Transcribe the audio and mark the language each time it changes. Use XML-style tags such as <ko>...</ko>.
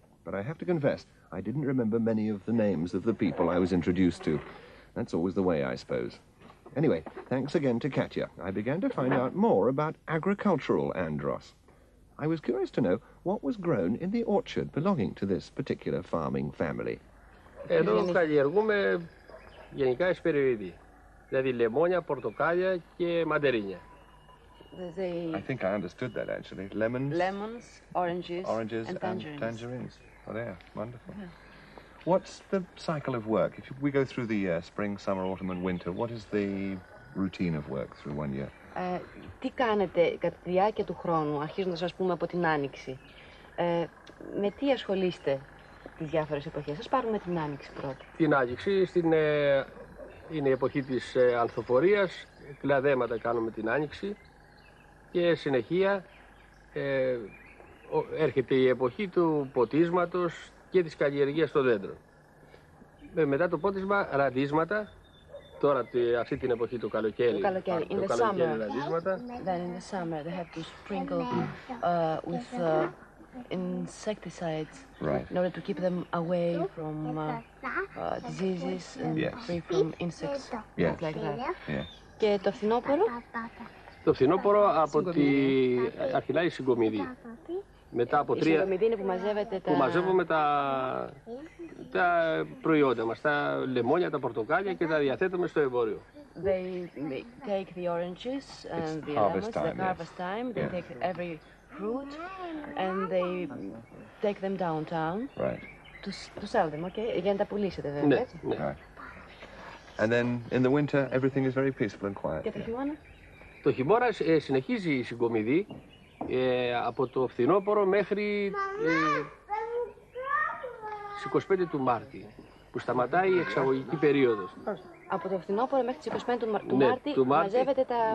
<en>But I have to confess, I didn't remember many of the names of the people I was introduced to. That's always the way, I suppose. Anyway, thanks again to Katia. I began to find out more about agricultural Andros. I was curious to know what was grown in the orchard belonging to this particular farming family.</en> <el>Εδώ καλλιεργούμε γενικά εσπεριδί. Δηλαδή λεμόνια, πορτοκάλια και μαντερίνια.</el> <en>I think I understood that actually. Lemons. Lemons, oranges and tangerines. Oh, there, wonderful. Yeah. What's the cycle of work? If we go through the year, spring, summer, autumn and winter, what is the routine of work through one year?</en> <el>Τι κάνετε κατά τη διάρκεια του χρόνου, αρχίζοντας ας πούμε από την άνοιξη. Με τι ασχολείστε τις διάφορες εποχές? Ας πάρουμε την άνοιξη πρώτη. Την άνοιξη είναι η εποχή της ανθοφορίας. Κλαδέματα κάνουμε την άνοιξη. Και συνεχεία έρχεται η εποχή του ποτίσματος και της καλλιεργίας των δέντρων. Μετά το ποτίσμα, ραντίσματα. Τώρα, αυτή την εποχή του καλοκαίρι, ραντίσματα.</el> <en>Then in the summer, they have to sprinkle with insecticides in order to keep them away from diseases and free from insects. Yes. Like that.</en> <el>Και το φθινόπωρο. Το φθινόπωρο από τη αρχιλάει η συγκομιδή. Μετά από τρία. Η συγκομιδή είναι που μαζεύεται τα. Που μαζεύουμε τα προϊόντα μας, τα λεμόνια, τα πορτοκάλια και τα διαθέτουμε στο εμπόριο.</el> <en>They take the oranges and the lemons, the harvest time. They take every fruit and they take them downtown. Right. To sell them, okay?</en> <el>Για να τα πουλήσετε, βέβαια. Ναι.</el> <en>And then in the winter everything is very peaceful and quiet.</en> <el>Το χειμώνα συνεχίζει η συγκομιδή από το φθινόπωρο μέχρι τις 25 του Μάρτη, που σταματάει η εξαγωγική περίοδος. Από το φθινόπωρο μέχρι τις 25 του Μάρτη μαζεύεται τα.</el>